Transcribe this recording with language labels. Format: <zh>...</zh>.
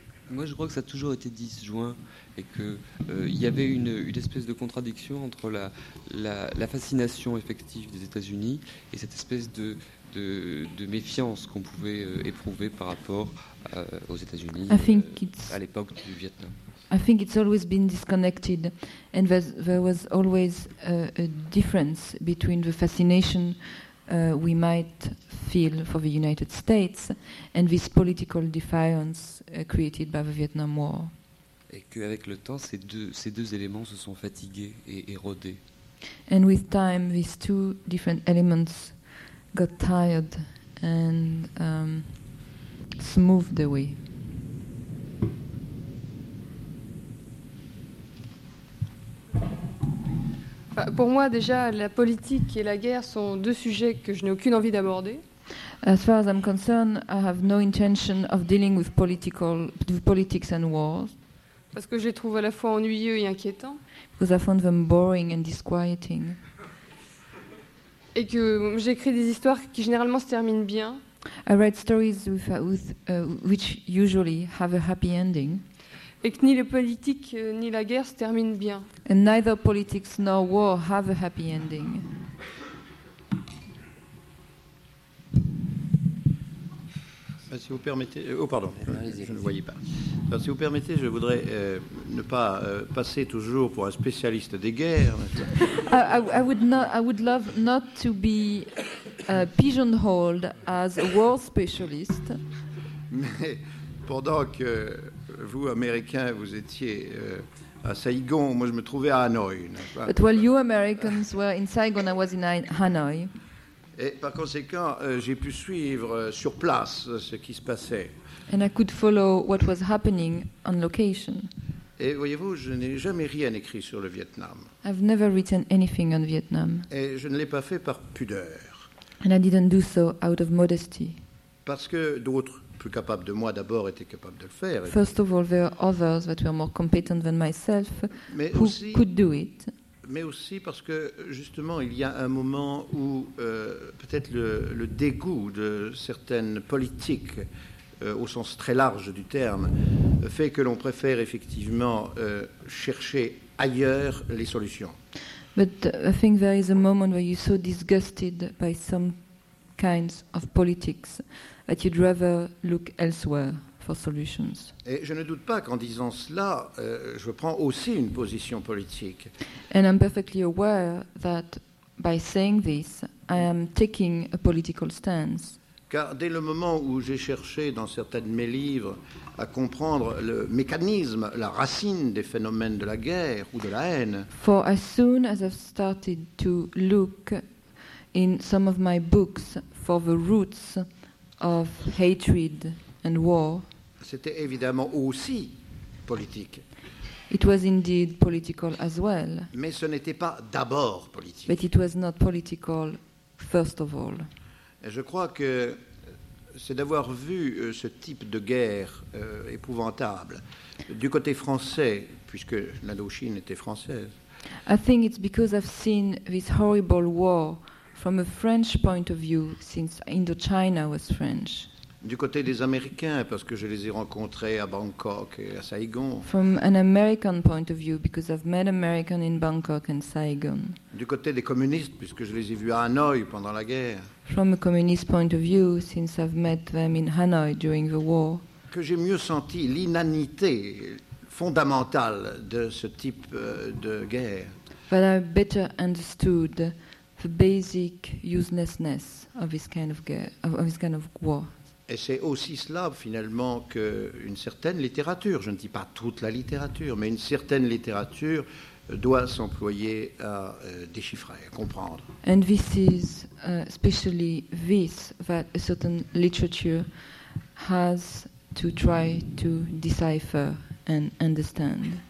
<fr>Moi, je crois que ça a toujours été disjoint et qu'il y avait une espèce de contradiction entre la fascination effective des États-Unis et cette espèce de méfiance qu'on pouvait éprouver par rapport aux États-Unis à l'époque du Vietnam.</fr> <en>I think it's always been disconnected, and there was always a difference between the fascination we might feel for the United States and this political defiance created by the Vietnam War.</en> <fr>Et qu'avec le temps, ces deux éléments se sont fatigués et érodés.</fr> <en>And with time, these two different elements got tired and smoothed away.</en> <fr>Pour moi, déjà, la politique et la guerre sont deux sujets que je n'ai aucune envie d'aborder.</fr> <en>As far as I'm concerned, I have no intention of dealing with politics and wars.</en> <fr>Parce que je les trouve à la fois ennuyeux et inquiétants.</fr> <en>Because I found them boring and disquieting.</en> <fr>Et que j'écris des histoires qui généralement se terminent bien.</fr> <en>I write stories which usually have a happy ending.</en> <fr>Et que ni les politiques ni la guerre se terminent bien.</fr> <en>And neither politics nor war have a happy ending.</en> <fr>Si vous permettez, oh pardon, je ne voyais pas. Alors, si vous permettez, je voudrais ne pas passer toujours pour un spécialiste des guerres.</fr> <en>I would love not to be pigeonholed as a war specialist.</en> <fr>Mais pendant que vous, Américains, vous étiez à Saigon, moi je me trouvais à Hanoï.</fr> <en>But while you Americans were in Saigon, I was in Hanoi.</en> <fr>Et par conséquent, j'ai pu suivre sur place ce qui se passait.</fr> <en>And I could follow what was happening on location.</en> <fr>Et voyez-vous, je n'ai jamais rien écrit sur le Vietnam.</fr> <en>I've never written anything on Vietnam.</en> <fr>Et je ne l'ai pas fait par pudeur.</fr> <en>And I didn't do so out of modesty.</en> <fr>Parce que d'autres, plus capables de moi d'abord, étaient capables de le faire.</fr> <en>First of all, there are others that were more competent than myself</en> <fr>Mais</fr> <en>who</en> <fr>aussi,</fr> <en>could do it.</en> <fr>Mais aussi parce que, justement, il y a un moment où peut-être le dégoût de certaines politiques, au sens très large du terme, fait que l'on préfère effectivement chercher ailleurs les solutions.</fr> <en>But I think there is a moment where you're so disgusted by some kinds of politics that you'd rather look elsewhere.</en> <fr>Et je ne doute pas qu'en disant cela, je prends aussi une position politique.</fr> <en>And I'm perfectly aware that by saying this, I am taking a political stance.</en> <fr>Car dès le moment où j'ai cherché dans certains de mes livres à comprendre le mécanisme, la racine des phénomènes de la guerre ou de la haine.</fr> <en>For as soon as I've started to look in some of my books for the roots of hatred. And war.</en> <fr>C'était évidemment aussi politique.</fr> <en>It was indeed political as well.</en> <fr>Mais ce n'était pas d'abord politique.</fr> <en>But it was not political first of all.</en> <fr>Et je crois que c'est d'avoir vu ce type de guerre épouvantable du côté français, puisque l'Indochine était française.</fr> <en>I think it's because I've seen this horrible war from a French point of view since Indochina was French.</en> <fr>du côté des Américains, parce que je les ai rencontrés à Bangkok et à Saigon.</fr> <en>From an American point of view, because I've met Americans in Bangkok and Saigon.</en> <fr>Du côté des communistes, puisque je les ai vus à Hanoï pendant la guerre.</fr> <en>From a communist point of view, since I've met them in Hanoi during the war.</en> <fr>Que j'ai mieux senti l'inanité fondamentale de ce type de guerre.</fr> <en>That I better understood the basic uselessness of this kind of guerre, of this kind of war.</en> <fr>Et c'est aussi cela, finalement, qu'une certaine littérature, je ne dis pas toute la littérature, mais une certaine littérature doit s'employer à déchiffrer, à comprendre.</fr> <en>And this is especially this, that a certain literature has to try to decipher and understand.</en>